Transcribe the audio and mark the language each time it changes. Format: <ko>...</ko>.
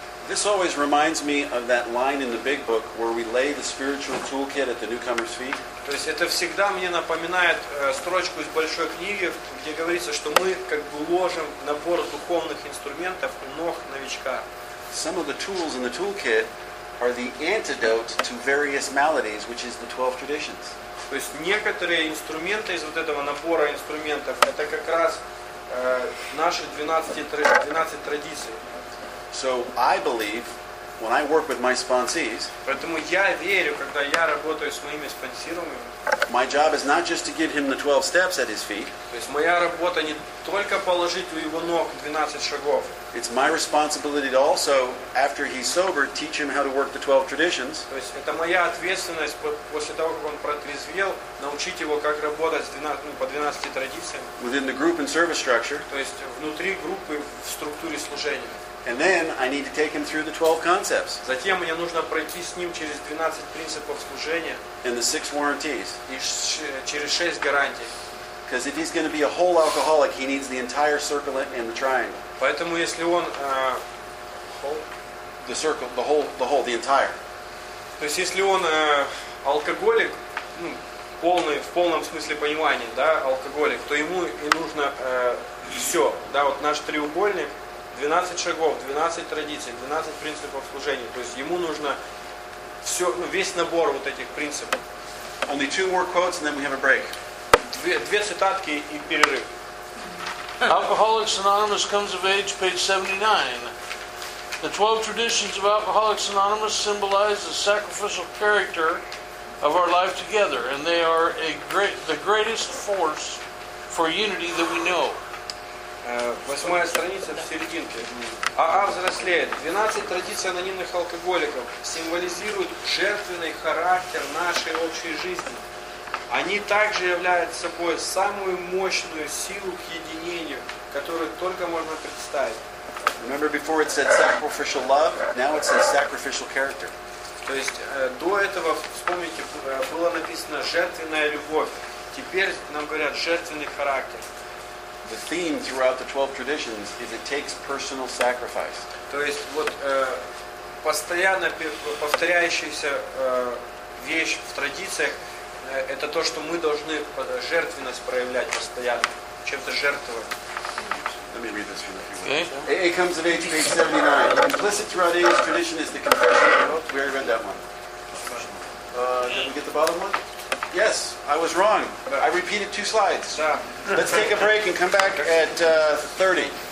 <en>This always reminds me of that line in the Big Book where we lay the spiritual toolkit at the newcomer's feet.</en> <ru>То есть это всегда мне напоминает строчку из большой книги, где говорится, что мы как бы ложим набор духовных инструментов у ног новичка.</ru> <en>Some of the tools in the toolkit are the antidote to various maladies, which is the 12 traditions.</en> <ru>То есть некоторые инструменты из вот этого набора инструментов это как раз наши 12 традиций.</ru> <en>So I believe when I work with my sponsees.</en> <ru>Поэтому я верю, когда я работаю с моими спонсируемыми.</ru> <en>My job is not just to give him the 12 steps at his feet.</en> <ru>То есть моя работа не только положить у его ног 12 шагов.</ru> <en>It's my responsibility to also, after he's sober, teach him how to work the 12 traditions.</en> <ru>То есть это моя ответственность после того, как он протрезвел, научить его как работать с 12, ну, по 12 традициям.</ru> <en>Within the group and service structure.</en> <ru>То есть внутри группы в структуре служения.</ru> <en>And then I need to take him through the 12 concepts.</en> <ru>Затем мне нужно пройти с ним через 12 принципов служения.</ru> <en>And the 6 warranties.</en> <ru>И через 6 гарантий.</ru> <en>Because if he's going to be a whole alcoholic, he needs the entire circle and the triangle.</en> <ru>Поэтому если он</ru> <en>the circle, the whole, the entire.</en> <ru>То есть если он алкоголик, ну, полный в полном смысле понимания, да, алкоголик, то ему и нужно все, да, вот наш треугольник. 12 шагов, 12 традиций, 12 принципов служения. То есть ему нужно все, ну, весь набор вот этих принципов.</ru> <en>Only two more quotes and then we have a break.</en> <ru>Две цитатки и перерыв.</ru> <en>Alcoholics Anonymous comes of age, page 79. The 12 traditions of Alcoholics Anonymous symbolize the sacrificial character of our life together, and they are the greatest force for unity that we know.</en> <ru>Восьмая страница в серединке. АА взрослеет. 12 традиций анонимных алкоголиков символизируют жертвенный характер нашей общей жизни. Они также являются собой самую мощную силу к единению, которую только можно представить.</ru> <en>Remember before it said sacrificial love, now it says sacrificial character.</en> <ru>То есть до этого, вспомните, было написано жертвенная любовь. Теперь нам говорят жертвенный характер.</ru> <en>The theme throughout the 12 traditions is it takes personal sacrifice.</en> <ru>То есть вот постоянно повторяющаяся вещь в традициях это то, что мы должны жертвенность проявлять постоянно, чем-то жертвовать.</ru> <en>Let me read this from the few words. It comes of age, page 79. Implicit throughout AA's tradition is the confession. We already read that one. Did we get the bottom one? Yes, I was wrong. I repeated two slides. Let's take a break and come back at 30.</en>